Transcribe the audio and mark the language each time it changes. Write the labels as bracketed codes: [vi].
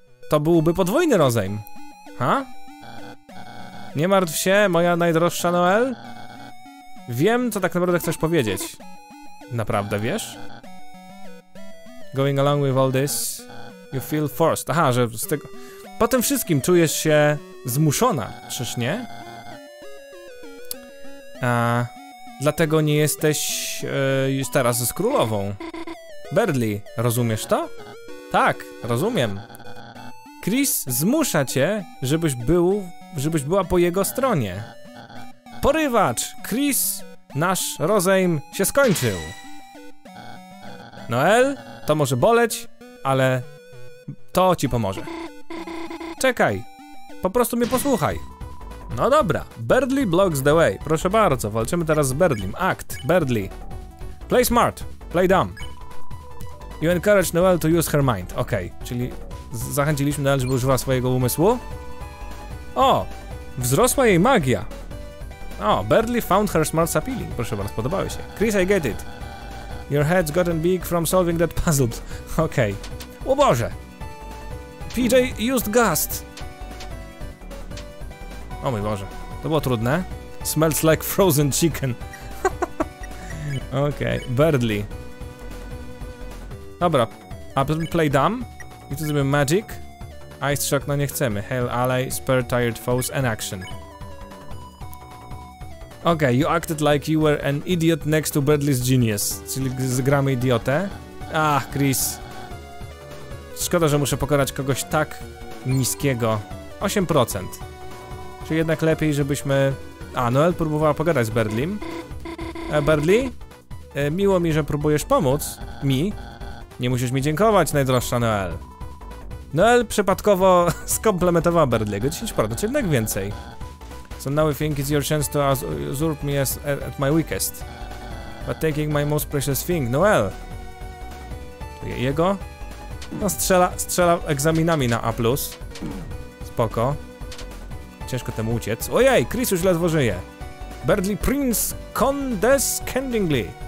[pl] To byłby podwójny rozejm. Ha? Nie martw się, moja najdroższa Noel. Wiem, co tak naprawdę chcesz powiedzieć. Naprawdę, wiesz? [en] Going along with all this, you feel forced. [pl] Aha, że z tego... Po tym wszystkim czujesz się zmuszona, czyż nie? Dlatego nie jesteś już teraz z królową. Berdly, rozumiesz to? Tak, rozumiem. Chris zmusza cię, żebyś była po jego stronie. Porywacz! Chris, nasz rozejm się skończył. Noel, to może boleć, ale to ci pomoże. Czekaj, po prostu mnie posłuchaj. No dobra, [en] Berdly blocks the way. [pl] Proszę bardzo, walczymy teraz z Berdlym. [en] Act, Berdly. Play smart, play dumb. You encourage Noel to use her mind. [pl] Okej, okay, czyli zachęciliśmy Noel, żeby używała swojego umysłu. O, wzrosła jej magia. [en] O, Berdly found her smart appealing. [pl] Proszę bardzo, podobały się. [en] Chris, I get it. Your head's gotten big from solving that puzzle. [pl] Okej. Okay. O Boże. [en] PJ used gust. [pl] O mój Boże, to było trudne. [en] Smells like frozen chicken. Okej, okay. Berdly. [pl] Dobra, a [en] play dumb. [pl] I tu zrobimy magic. Ice shock, no nie chcemy. [en] Hail ally, spur tired foes and action. Okej, okay, you acted like you were an idiot next to Berdly's genius. [pl] Czyli zgramy idiotę. Ach, Chris. Szkoda, że muszę pokonać kogoś tak niskiego. 8%. Czy jednak lepiej, żebyśmy... A, Noel próbowała pogadać z Berdlym. Berdly, miło mi, że próbujesz pomóc mi. Nie musisz mi dziękować, najdroższa Noel. Noel przypadkowo skomplementowała Berdlego. 10%, czyli jednak więcej. [en] So now I think it's your chance to usurp me as at my weakest. But taking my most precious thing, Noel. [pl] To jego? No strzela egzaminami na A+. Spoko. Ciężko temu uciec. Ojej, Chris już ledwo żyje. [en] Berdly Prince condescendingly.